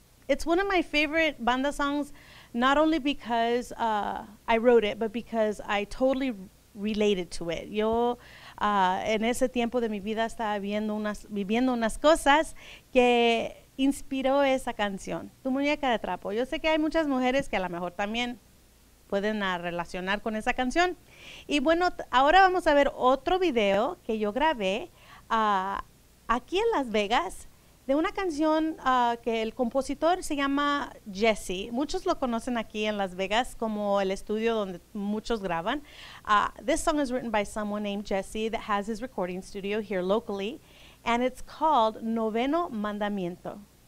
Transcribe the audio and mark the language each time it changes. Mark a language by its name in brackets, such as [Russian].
[English] It's one of my favorite banda songs, not only because I wrote it, but because I totally related to it. [Spanish] Yo, en ese tiempo de mi vida, estaba viviendo unas cosas que inspiró esa canción, Tu Muñeca de Trapo. Yo sé que hay muchas mujeres que a lo mejor también pueden relacionar con esa canción. Y bueno, ahora vamos a ver otro video que yo grabé aquí en Las Vegas, de una canción que el compositor se llama Jesse. Muchos lo conocen aquí en Las Vegas como el estudio donde muchos graban. [English] This song is written by someone named Jesse that has his recording studio here locally, and it's called Noveno Mandamiento.